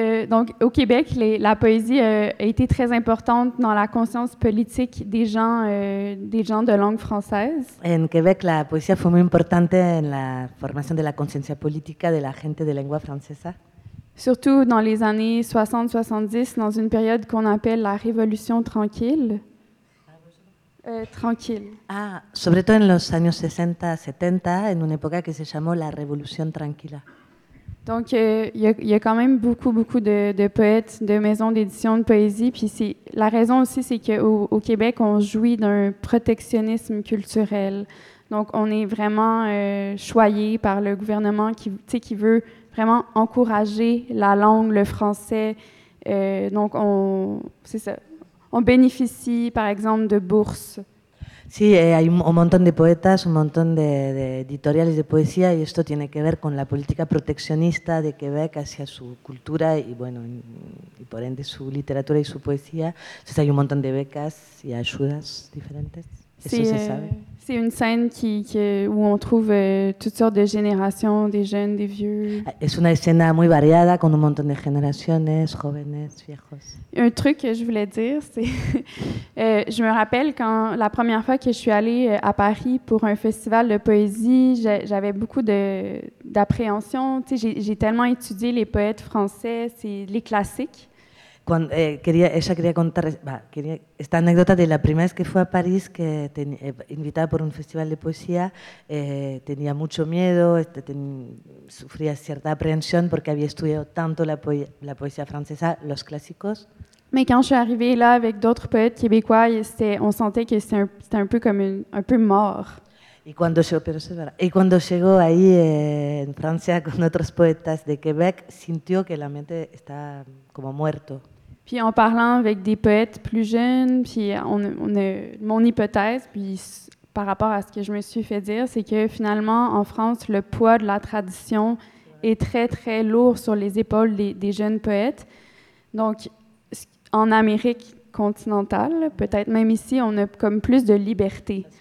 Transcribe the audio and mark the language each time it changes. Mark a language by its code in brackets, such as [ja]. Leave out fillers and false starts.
[fr] Donc, au Québec, la poésie a été très importante dans la conscience politique des gens de langue française. [es] En Québec, la poésie fue muy importante en la formación de la conciencia política de la gente de lengua francesa. [fr] Surtout dans les années 60-70, dans une période qu'on appelle la Révolution tranquille. Tranquille. Ah, surtout dans les années 60-70, en une époque qui se chamait la Révolution tranquille. Donc, il y a quand même beaucoup de poètes, de maisons d'édition de poésie. Puis la raison aussi, c'est qu'au Québec, on jouit d'un protectionnisme culturel. Donc, on est vraiment choyé par le gouvernement qui veut vraiment encourager la langue, le français. Donc, on bénéficie, par exemple, de bourses. [es] Sí, hay un montón de poetas, un montón de editoriales de poesía, y esto tiene que ver con la política proteccionista de Quebec hacia su cultura y, bueno, y por ende su literatura y su poesía. Entonces, hay un montón de becas y ayudas diferentes. [fr] C'est une scène où on trouve toutes sortes de générations, des jeunes, des vieux. [es] Es una escena muy variada con un montón de generaciones, jóvenes, viejos. [fr] Un truc que je voulais dire, c'est je me rappelle quand la première fois que je suis allée à Paris pour un festival de poésie, j'avais beaucoup d'appréhension. Tu sais, j'ai tellement étudié les poètes français, c'est les classiques. [es] Cuando, quería contar esta anécdota de la primera vez que fue a París, que invitada por un festival de poesía, tenía mucho miedo, sufría cierta aprehensión porque había estudiado tanto la poesía francesa, los clásicos. [fr] Mais quand je suis arrivée là avec d'autres poètes québécois, on sentait que c'était un peu comme un peu mort. [es] Y cuando llegó ahí en Francia con otros poetas de Quebec, sintió que la mente está como muerto. [fr] Puis en parlant avec des poètes plus jeunes, puis mon hypothèse, puis par rapport à ce que je me suis fait dire, c'est que finalement en France, le poids de la tradition est très très lourd sur les épaules des jeunes poètes. Donc en Amérique continentale, peut-être même ici, on a comme plus de liberté.